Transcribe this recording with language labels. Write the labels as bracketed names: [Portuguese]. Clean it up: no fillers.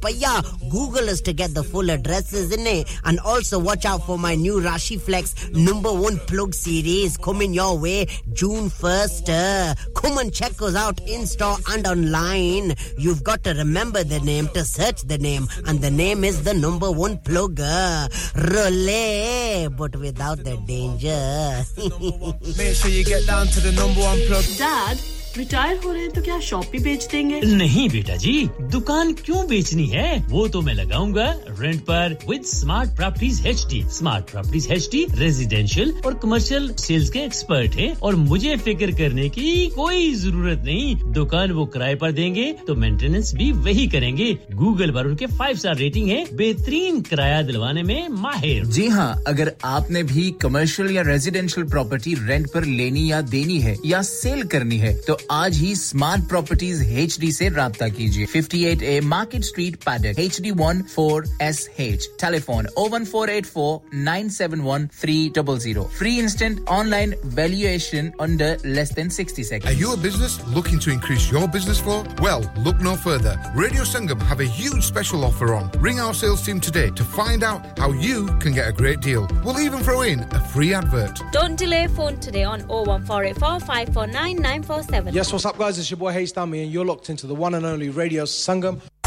[English] Paya, Google us to get the full addresses, innit? And also watch out for my new Rashi Flex Number One Plug series coming your way June 1st. Come and check us out in-store and online. You've got to remember the name to search the name, and the name is the Number One Plugger. Relay, but without the danger. Make sure you get down to the Number One Plug. [Hindi] Dad, retire हो रहे हैं तो क्या shop भी बेच देंगे नहीं बेटा जी दुकान क्यों बेचनी है वो तो मैं लगाऊंगा रेंट पर with smart properties HD smart properties HD residential और कमर्शियल सेल्स के एक्सपर्ट हैं और मुझे फिक्र करने की कोई जरूरत नहीं दुकान वो किराए पर देंगे तो मेंटेनेंस भी वही करेंगे गूगल पर उनके 5 स्टार रेटिंग है बेहतरीन किराया दिलवाने में माहिर जी हां अगर आपने भी कमर्शियल या रेजिडेंशियल प्रॉपर्टी रेंट पर लेनी या देनी है या सेल करनी है तो आज ही स्मार्ट प्रॉपर्टीज एचडी से رابطہ कीजिए 58A market street paddock HD14SH telephone 01484971300 [English] Free instant online valuation under less than 60 second are you a business looking to increase your business flow well look no further Radio Sangam have a huge special offer on ring our sales team today to find out how you can get a great deal we will even throw in a free advert don't delay phone today on 01484549947 Yes, what's up, guys? It's your boy Hayes Dami, and you're locked into the one and only Radio Sangam.